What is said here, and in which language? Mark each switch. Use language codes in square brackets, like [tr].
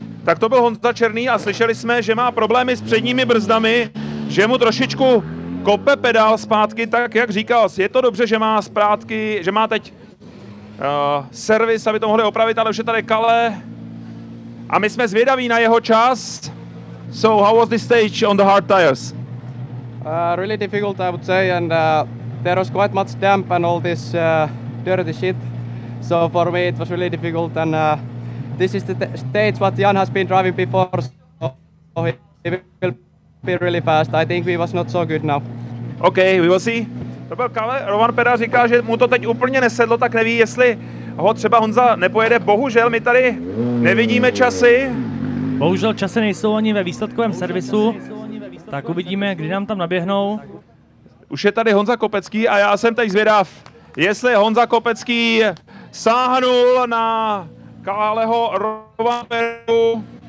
[cs] Tak to byl Honza Černý a slyšeli jsme, že má problémy s předními brzdami, že mu trošičku kope pedál zpátky, tak jak říkal, je to dobře, že má zpátky, že má teď servis, aby to mohli opravit, ale už je tady Kale. A my jsme zvědaví na jeho čas. [en] So, how was the stage on the hard tires? Really difficult, I would say, and there was quite much damp and all this dirty shit. So for me it was really difficult, and this is the stage what Jan has been driving before, so he will be really fast. I think we was not so good now. Okay, we will see. [cs] To byl Kale. Roman Peda říká, že mu to teď úplně nesedlo, tak neví, jestli ho třeba Honza nepojede. Bohužel, my tady nevidíme časy. Bohužel časy nejsou ani ve výsledkovém servisu. Tak uvidíme, kdy nám tam naběhnou. Už je tady Honza Kopecký a já jsem teď zvědav, jestli Honza Kopecký sáhnul na Kaleho Roman Pedu.